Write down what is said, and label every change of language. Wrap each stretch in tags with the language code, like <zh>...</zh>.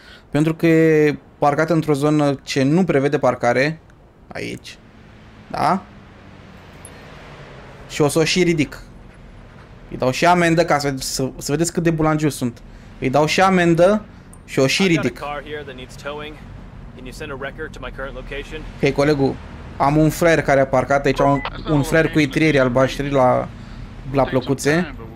<ro>Pentru că e parcată într-o zonă ce nu prevede parcare. Aici. Da? Și o să o și ridic. Îi dau și amendă ca să vedeți cât de bulangiu sunt. Îi dau și amendă și o și</ro> <en>I've got a</en> <ro>ridic.</ro> <en>car here that needs towing. Can you send a wrecker to my current location?</en> <ro>Hei, colegul, am un frer care a parcat aici, un frer cu itrierii albaștri la plăcuțe.</ro>